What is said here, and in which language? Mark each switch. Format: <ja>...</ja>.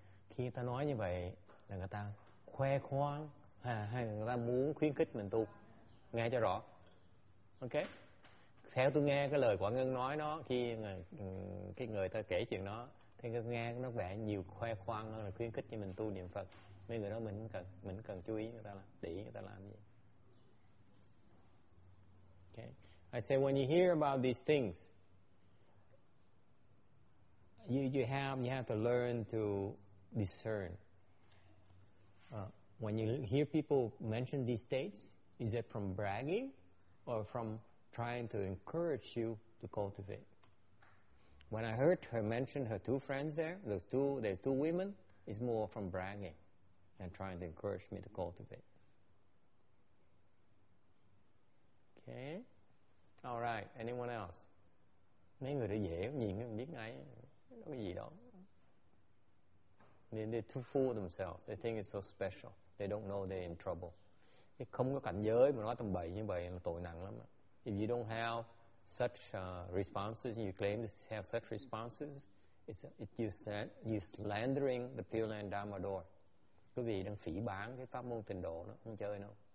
<vi>Khi ta nói như vậy là người ta khoe khoang hay người ta muốn khuyến khích mình tu, nghe cho rõ. Ok, theo tôi nghe cái lời Quả Ngân nói đó, khi cái người ta kể chuyện đó thì tôi nghe nó vẻ nhiều khoe khoang là khuyến khích cho mình tu niệm Phật, mấy người đó mình cần chú ý người ta làm, để ý người ta làm gì.</vi> <en>Okay. I say when you hear about these things, you have to learn to discern. When you hear people mention these states, is it from bragging or from trying to encourage you to cultivate? When I heard her mention her two friends there, there's two women, it's more from bragging than trying to encourage me to cultivate. Okay. All right, anyone else?</en> <vi>Mấy người đó dễ nhìn không biết ngay nó cái gì đó.</vi> <en>They too fool themselves. They think it's so special. They don't know they're in trouble.</en> <vi>Không có cảnh giới mà nói tầm bậy như vậy là tội nặng lắm.</vi> <en>If you don't have such responses, you claim to have such responses, you're slandering the Pure Land Dharma Door.</en> <vi>Quý vị đang phỉ báng cái pháp môn tịnh độ nó, không chơi đâu.</vi>